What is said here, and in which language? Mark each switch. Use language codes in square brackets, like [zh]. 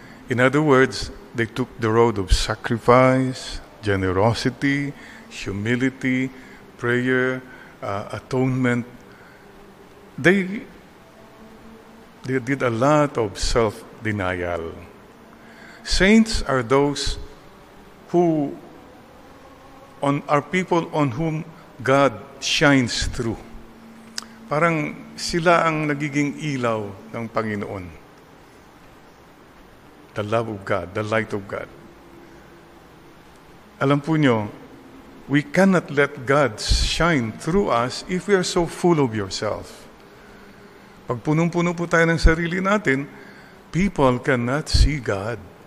[en] In other words, they took the road of sacrifice, generosity, humility, prayer, atonement. They did a lot of self-denial. Saints are those who are people on whom God shines through. [tl] Parang sila ang nagiging ilaw ng Panginoon. [en] The love of God, the light of God. [tl] Alam po nyo, [en] we cannot let God shine through us if we are so full of yourself. [tl] Pag punong-puno po tayo ng sarili natin, [en] people cannot see God.